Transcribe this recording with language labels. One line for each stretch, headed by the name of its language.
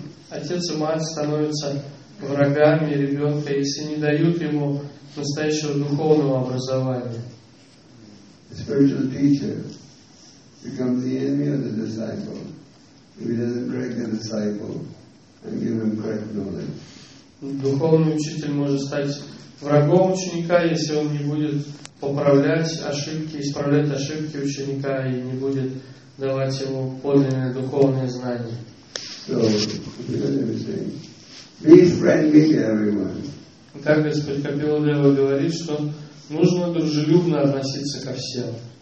Russian: Отец и мать становятся врагами ребенка, если не дают ему настоящего духовного образования.
English: The spiritual teacher becomes the enemy of the disciple if he doesn't correct the disciple and give him correct knowledge.
Russian: Духовный учитель может стать врагом ученика, если он не будет поправлять ошибки, исправлять ошибки ученика и не будет давать ему подлинные духовные знания. Так Господь Капилла говорит, что нужно дружелюбно относиться ко всем.